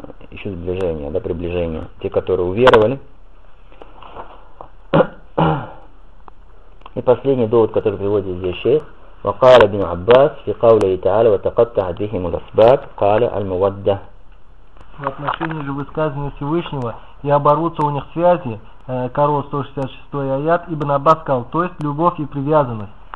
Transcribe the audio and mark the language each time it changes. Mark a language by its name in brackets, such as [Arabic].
[Russian] еще сближение, да, приближение. Те, которые уверовали. И последний довод, который приводит здесь шейх. [Arabic] وقال ابن عباس في قوله تعالى وتقطعت بهم الأسباب قال المودة. [Russian] В отношении же высказывания Всевышнего и оборвутся у них связи, Корос 166 аят, Ибн Аббас сказал, то есть любовь и привязанность.